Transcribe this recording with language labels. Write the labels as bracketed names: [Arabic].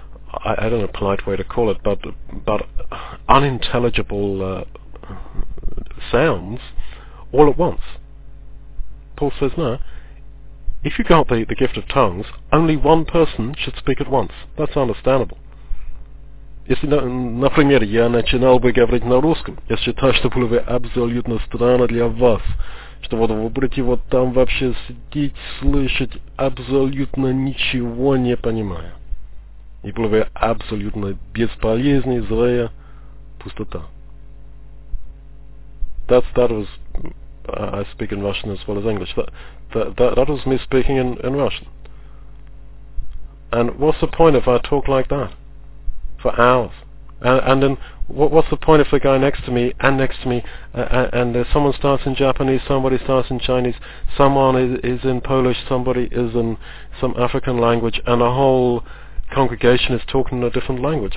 [English] I don't know a polite way to call it, but unintelligible sounds all at once. Paul says, no, if you've got the gift of tongues, only one person should speak at once. That's understandable. [Russian] Если, например, я начинал бы говорить на русском, я считаю, что было бы абсолютно странно для вас, что вот вы будете вот там вообще сидеть, слышать, абсолютно ничего не понимая. И было бы абсолютно бесполезная, злая пустота. [English] That was, I speak in Russian as well as English. That was me speaking in Russian. And what's the point if I talk like that? For hours. And then, what's the point if the guy next to me, and someone starts in Japanese, somebody starts in Chinese, someone is in Polish, somebody is in some African language, and a whole congregation is talking in a different language?